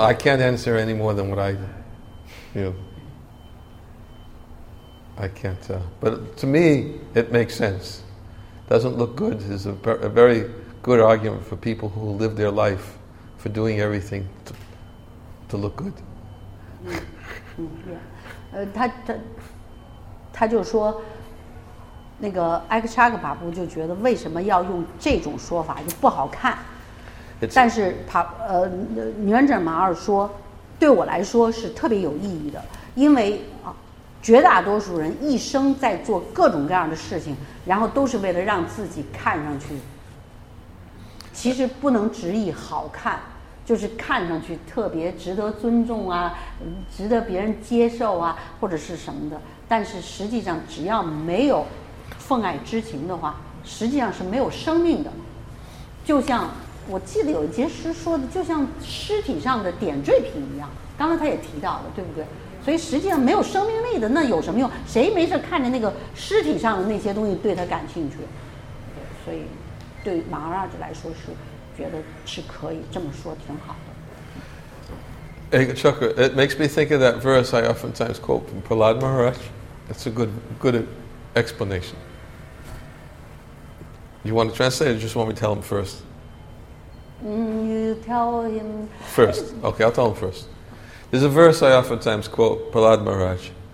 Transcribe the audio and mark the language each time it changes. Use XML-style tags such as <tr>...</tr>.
<en>I can't answer any more than what I, you know. I can't. But to me, it makes sense. Doesn't look good is a very good argument for people who live their life for doing everything to look good. He</en> <zh>就说那个埃克沙克巴布就觉得为什么要用这种说法就不好看。但是帕女忍者马尔说，对我来说是特别有意义的，因为啊，绝大多数人一生在做各种各样的事情，然后都是为了让自己看上去，其实不能直译好看，就是看上去特别值得尊重啊，值得别人接受啊，或者是什么的。但是实际上，只要没有奉爱之情的话，实际上是没有生命的，就像。我记得有一节诗说的，就像尸体上的点缀品一样。刚才他也提到了，对不对？所以实际上没有生命力的，那有什么用？谁没事看着那个尸体上的那些东西对他感兴趣？对，所以对马哈拉吉来说是觉得是可以这么说，挺好的。</zh> <en>Hey, Chakra, it makes me think of that verse I oftentimes quote from Prahlad Maharaj. That's a good explanation. You want to translate it, or just want me to tell him first? You tell him first. Okay, I'll tell him first. There's a verse I oftentimes quote, Prahlad Maharaj.</en>